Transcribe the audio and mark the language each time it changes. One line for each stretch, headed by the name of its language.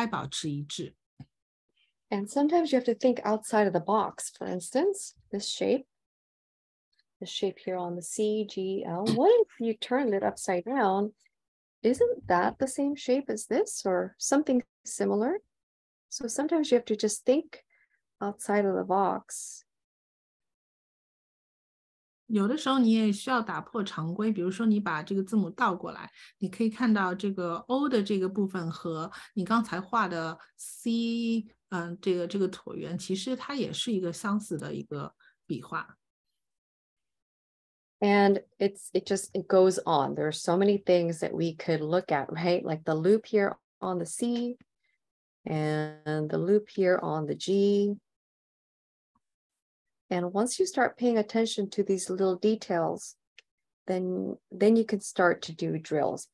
Chinese: 再举个例子，比如说D这里的一个小回环，你在L和Q当中也可以找到。虽然它们是很小的一个部分，但是它们也有非常重要的作用。所以你可以看到一些相同的笔画，然后把它们分在一组。在每次写到这些笔画的时候，都应该保持一致。
English: And sometimes you have to think outside of the box. For instance, this shape here on the C, G, L. What if you turn it upside down? Isn't that the same shape as this or something similar? So sometimes you have to just think outside of the box.
Chinese: 有的时候你也需要打破常规，比如说你把这个字母倒过来，你可以看到这个O的这个部分和你刚才画的C，这个椭圆，其实它也是一个相似的一个笔画。
English: And it goes on. There are so many things that we could look at, right? Like the loop here on the C and the loop here on the G. And once you start paying attention to these little details, then you can start to do drills.